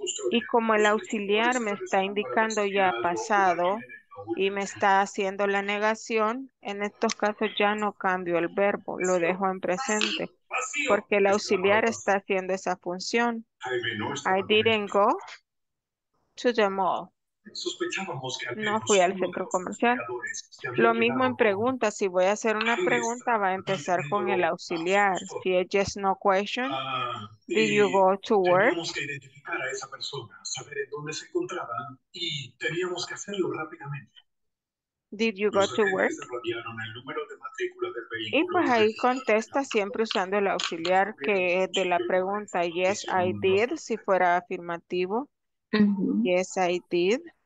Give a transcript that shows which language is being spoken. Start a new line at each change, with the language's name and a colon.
Spanish: Y como el auxiliar me está indicando ya ha pasado y me está haciendo la negación, en estos casos ya no cambio el verbo, lo dejo en presente. Porque el auxiliar está haciendo esa función.
English: I didn't go to the mall.
Spanish: No fui al centro comercial. Lo mismo en preguntas. Si voy a hacer una pregunta, va a empezar con el auxiliar. Si es
English: yes, no question, did you go to work?
Spanish: Teníamos que identificar a esa persona, saber en dónde se encontraba y teníamos que hacerlo rápidamente.
English: Did you go to work?
Spanish: Y pues ahí contesta siempre usando el auxiliar que es de la pregunta.
English: Yes, I did,
Spanish: si fuera afirmativo.
English: Yes, I did.